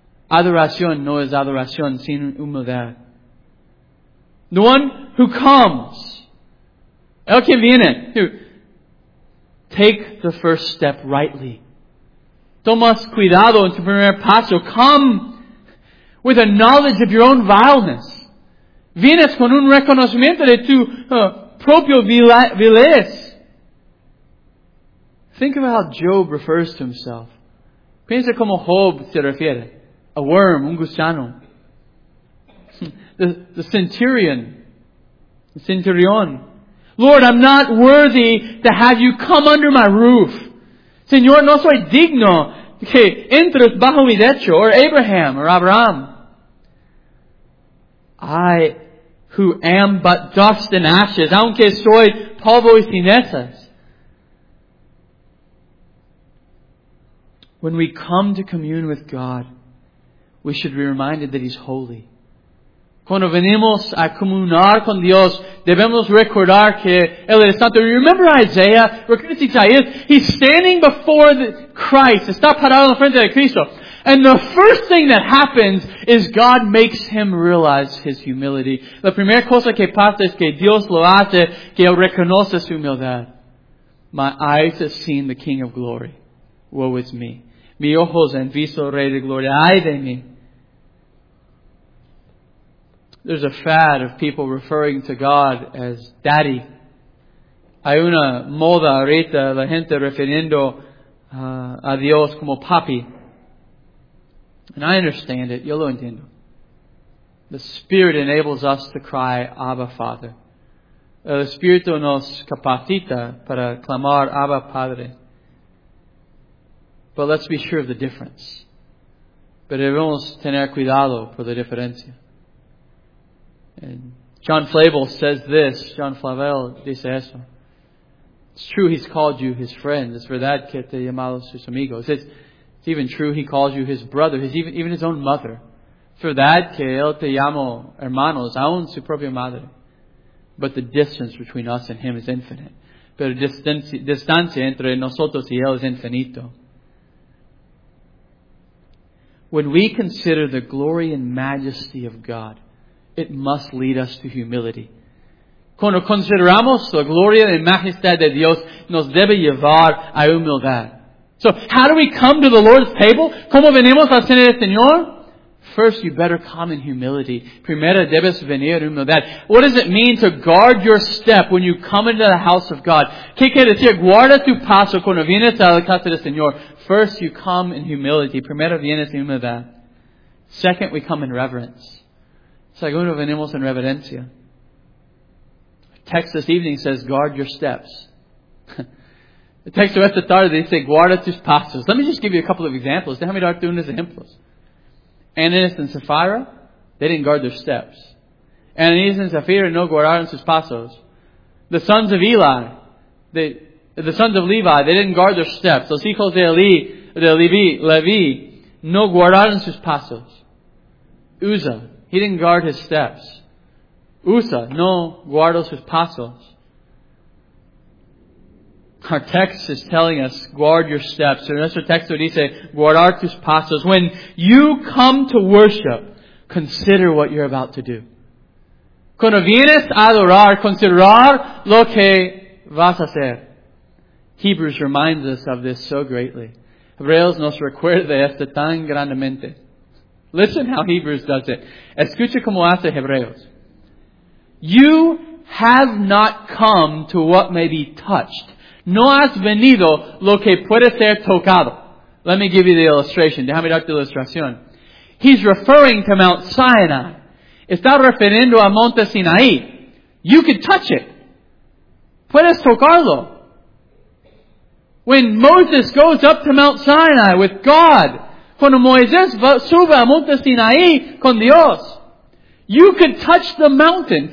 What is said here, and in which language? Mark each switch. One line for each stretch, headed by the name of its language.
Spanish: Adoración no es adoración sin humildad.
English: The one who comes,
Spanish: el que viene,
English: Take the first step rightly.
Spanish: Tomas cuidado en tu primer paso.
English: Come with a knowledge of your own vileness.
Spanish: Vienes con un reconocimiento de tu propio vileza.
English: Think of how Job refers to himself.
Spanish: Piensa como Job se refiere.
English: A worm,
Spanish: un gusano.
English: The centurion. The centurion. Lord, I'm not worthy to have you come under my roof.
Spanish: Señor, no soy digno que entres bajo mi techo.
English: Or Abraham, or Abraham. I, who am but dust and ashes,
Spanish: aunque soy polvo y cenizas.
English: When we come to commune with God, we should be reminded that He's holy.
Spanish: Cuando venimos a comunar con Dios, debemos recordar que Él es santo.
English: Remember Isaiah?
Spanish: Recuerda Isaías?
English: He's standing before Christ.
Spanish: Está parado frente a Cristo.
English: And the first thing that happens is God makes him realize his humility.
Spanish: La primera cosa que pasa es que Dios lo hace, que Él reconoce su humildad.
English: My eyes have seen the King of Glory. Woe is me.
Spanish: Mi ojos han visto el Rey de Gloria. Ay de mí.
English: There's a fad of people referring to God as Daddy.
Spanish: Hay una moda ahorita, la gente refiriendo a Dios como Papi.
English: And I understand it.
Spanish: Yo lo entiendo.
English: The Spirit enables us to cry, Abba, Father.
Spanish: El Espíritu nos capacita para clamar, Abba, Padre.
English: But let's be sure of the difference.
Spanish: Pero debemos tener cuidado por la diferencia.
English: And John Flavel says this.
Spanish: John Flavel dice eso.
English: It's true he's called you his friend.
Spanish: Es verdad que te llamado sus amigos.
English: It's even true he calls you his brother. His even his own mother.
Spanish: Es verdad que él te llamo hermanos. Aún su propia madre.
English: But the distance between us and him is infinite.
Spanish: Pero distancia entre nosotros y él es infinito.
English: When we consider the glory and majesty of God, it must lead us to humility.
Spanish: Cuando consideramos la gloria y majestad de Dios, nos debe llevar a humildad.
English: So, how do we come to the Lord's table?
Spanish: ¿Cómo venimos a cenar del Señor?
English: First, you better come in humility.
Spanish: Primero, debes venir en humildad.
English: What does it mean to guard your step when you come into the house of God?
Spanish: ¿Qué quiere decir? Guarda tu paso cuando vienes a la casa del Señor.
English: First, you come in humility.
Spanish: Primero, vienes en humildad.
English: Second, we come in reverence.
Spanish: Segundo, venimos en reverencia.
English: Text this evening says, guard your steps. The text of
Spanish: esta tarde,
English: they say,
Spanish: guarda tus pasos.
English: Let me just give you a couple of examples.
Spanish: Déjame darte unos ejemplos.
English: Ananias and Sapphira, they didn't guard their steps. Ananias and Sapphira
Spanish: no guardaron sus pasos.
English: The sons of Eli, the sons of Levi, they didn't guard their steps.
Spanish: Los hijos de Eli, de Levi, no guardaron sus pasos.
English: Uzzah, he didn't guard his steps. Uzzah,
Spanish: no guardó sus pasos.
English: Our text is telling us, guard your steps. So
Spanish: nuestro texto dice, guardar tus pasos.
English: When you come to worship, consider what you're about to do.
Spanish: Cuando vienes a adorar, considerar lo que vas a hacer.
English: Hebrews reminds us of this so greatly.
Spanish: Hebreos nos recuerda esto tan grandemente.
English: Listen how Hebrews does it.
Spanish: Escucha cómo hace Hebreos.
English: You have not come to what may be touched.
Spanish: No has venido lo que puede ser tocado.
English: Let me give you the illustration.
Spanish: Déjame darte la ilustración.
English: He's referring to Mount Sinai.
Spanish: Está refiriendo a Monte Sinaí.
English: You can touch it.
Spanish: Puedes tocarlo.
English: When Moses goes up to Mount Sinai with God,
Spanish: cuando Moisés sube a Monte Sinaí con Dios,
English: you could touch the mountain.